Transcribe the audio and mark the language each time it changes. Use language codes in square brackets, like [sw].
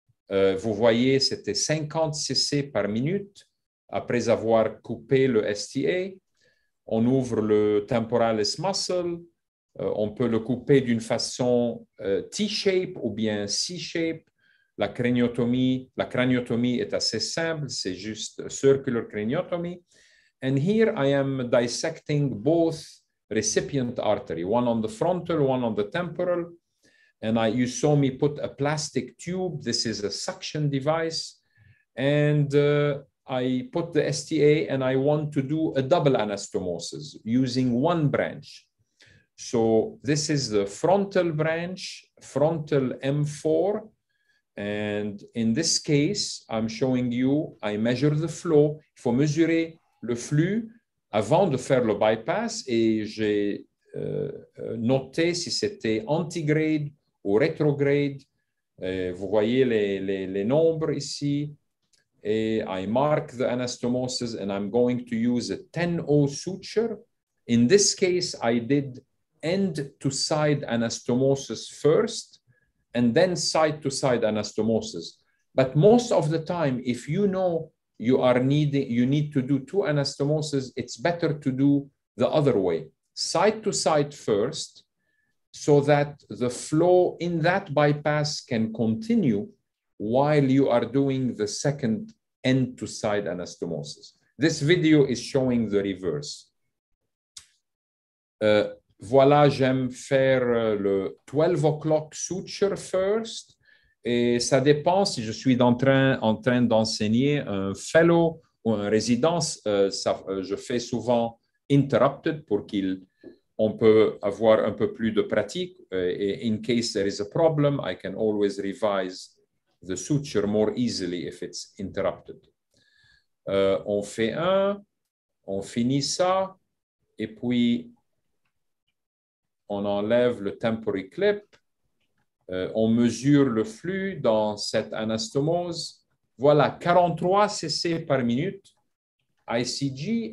[fr] Vous voyez, c'était 50 cc par minute après avoir coupé le STA. On ouvre le temporalis muscle. On peut le couper d'une façon T-shape ou bien C-shape. La craniotomie est assez simple, c'est juste circular craniotomy. [en] And here I am dissecting both recipient artery, one on the frontal, one on the temporal. And you saw me put a plastic tube. This is a suction device. And I put the STA and I want to do a double anastomosis using one branch. So this is the frontal branch, frontal M4. And in this case, I'm showing you, I measure the flow. [fr] Il faut mesurer le flux avant de faire le bypass. Et j'ai noté si c'était antigrade ou rétrograde. Vous voyez les nombres ici. [en] Et I mark the anastomosis and I'm going to use a 10-0 suture. In this case, I did end-to-side anastomosis first, and then side-to-side anastomosis. But most of the time, if you know you need to do two anastomoses, it's better to do the other way, side-to-side first, so that the flow in that bypass can continue while you are doing the second end-to-side anastomosis. This video is showing the reverse. [fr] Voilà, j'aime faire le [en] 12 o'clock suture first. [fr] Et ça dépend si je suis en train d'enseigner un fellow ou un résident. Je fais souvent interrupted pour qu'on peut avoir un peu plus de pratique. [en] Et in case there is a problem, I can always revise the suture more easily if it's interrupted. [fr] On fait un, on finit ça, et puis on enlève le temporary clip, on mesure le flux dans cette anastomose. Voilà, 43 cc par minute, ICG.